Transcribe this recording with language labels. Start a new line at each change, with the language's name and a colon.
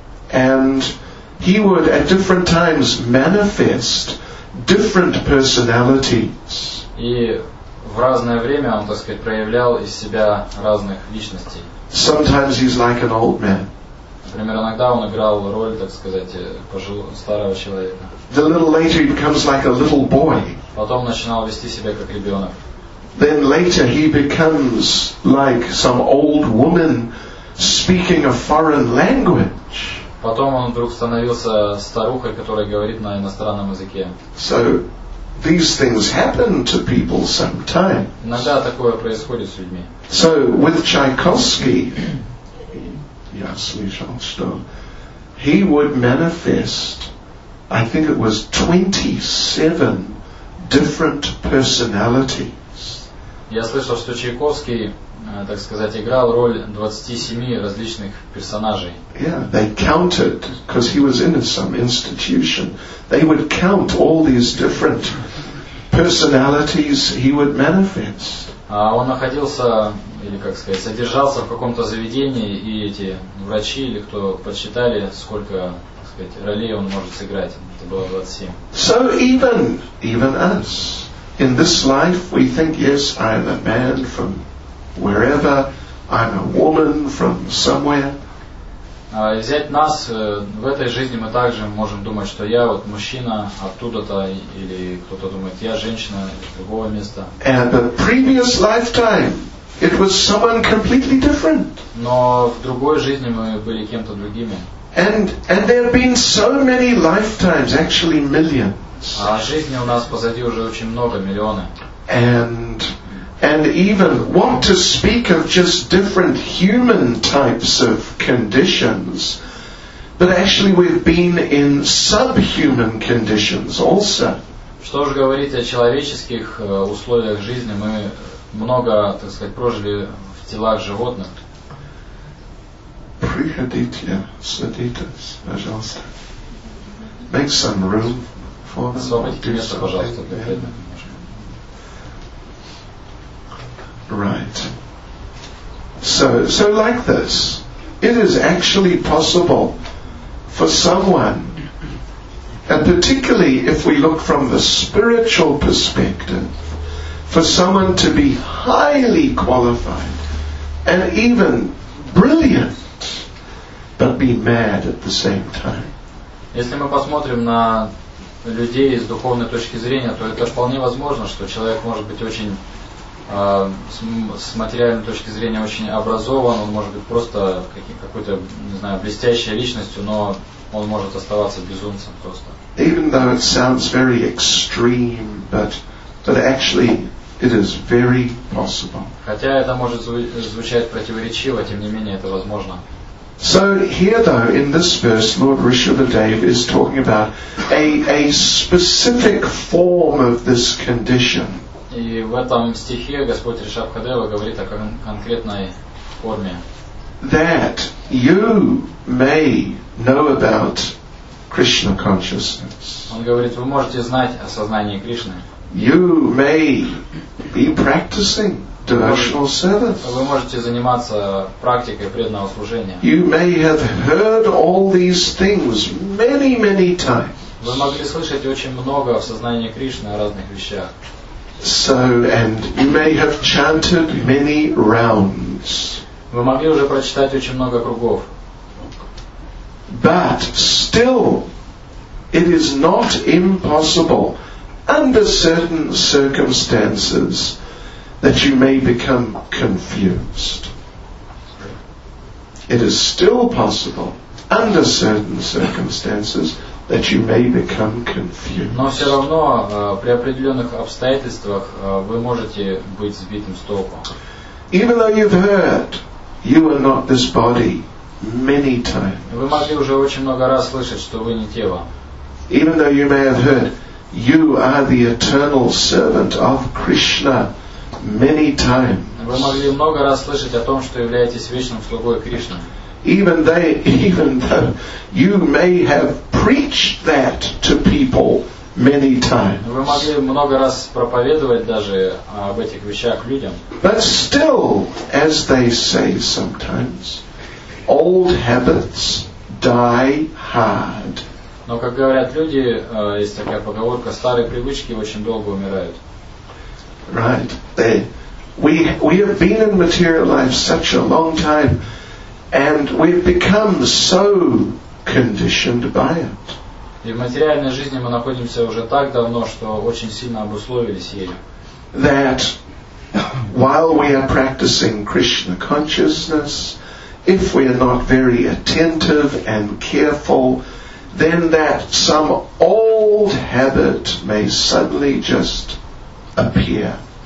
English: And he would at different times manifest different personalities.
Russian: И в разное время он, так сказать, проявлял из себя разных личностей.
English: Sometimes he's like an old man.
Russian: Например, иногда он играл роль, так сказать, старого человека.
English: Then a little later he becomes like a little boy.
Russian: Потом начинал вести себя как ребенок.
English: Then later he becomes like some old woman speaking a foreign language.
Russian: Потом он вдруг становился старухой, которая говорит на иностранном языке.
English: So, these things happen to people sometimes.
Russian: Иногда такое происходит с людьми.
English: So with Tchaikovsky,
Russian: я слышал, что
English: he would manifest, I think it was 27 different personalities.
Russian: Я слышал, что Чайковский, так сказать, играл роль 27 различных персонажей.
English: Yeah, they counted, because he was in some institution. They would count all these different personalities he would manifest.
Russian: Он находился, или как сказать, содержался в каком-то заведении, и эти врачи, или кто подсчитали, сколько, так сказать, ролей он может сыграть. Это было 27.
English: So even us, in this life, we think, yes, I'm a man from wherever, I'm a woman from somewhere.
Russian: Взять нас, в этой жизни мы также можем думать, что я вот мужчина оттуда-то, или кто-то думает, я женщина из другого места.
English: And the previous lifetime, it was someone completely different.
Russian: Но в другой жизни мы были кем-то другими.
English: And there have been so many lifetimes, actually millions.
Russian: А жизни у нас позади уже очень много, миллионы.
English: And even want to speak of just different human types of conditions, but actually we've been in subhuman conditions also.
Russian: Что же говорить о человеческих условиях жизни? Мы много, так сказать, прожили в телах животных. Приходите, садитесь, пожалуйста.
English: Make some room for them.
Russian: Освободите место, пожалуйста, для преданных.
English: Right. So like this. It is actually possible for someone, and particularly if we look from the spiritual perspective, for someone to be highly qualified and even brilliant, but be mad at the same time.
Russian: Если мы посмотрим на людей с духовной точки зрения, то это вполне возможно, что человек может быть очень с материальной точки зрения очень образован, он может быть просто какой-то, не знаю, блестящей личностью, но он может оставаться безумцем просто.
English: Even though it sounds very extreme, but actually it is very possible.
Russian: Хотя это может звучать противоречиво, тем не менее это возможно.
English: So here though, in this verse, Lord Rishabhadev is talking about a specific form of this condition.
Russian: И в этом стихе Господь Ришабхадева говорит о конкретной форме.
English: That you may know about Krishna consciousness.
Russian: Он говорит, вы можете знать о сознании Кришны.
English: You may be practicing devotional service.
Russian: Вы можете заниматься практикой преданного служения.
English: You may have heard all these things many, many times.
Russian: Вы могли слышать очень много о сознании Кришны, о разных вещах.
English: So, and you may have chanted many rounds.
Russian: Вы могли уже прочитать очень много кругов.
English: But still, it is not impossible, under certain circumstances, that you may become confused. It is still possible, under certain circumstances, that you may become confused.
Russian: Но все равно при определенных обстоятельствах вы можете быть сбитым с толку.
English: Even though you've heard, you are not this body many times.
Russian: Вы могли уже очень много раз слышать, что вы не тело.
English: Even though you may have heard, you are the eternal servant of Krishna many times.
Russian: Вы могли много раз слышать о том, что являетесь вечным слугой Кришны.
English: Even though you may have preached that to people many times.
Russian: Вы могли много раз проповедовать даже об этих вещах людям.
English: But still, as they say sometimes, old habits die hard.
Russian: Но как говорят люди, есть такая поговорка, старые привычки очень долго умирают.
English: Right. We have been in material life such a long time. And we've become so conditioned by it.
Russian: И в материальной жизни мы находимся уже так давно, что очень сильно обусловились ею.
English: That while we are practicing Krishna consciousness, if we are not very attentive and careful, then that some old habit may suddenly just appear.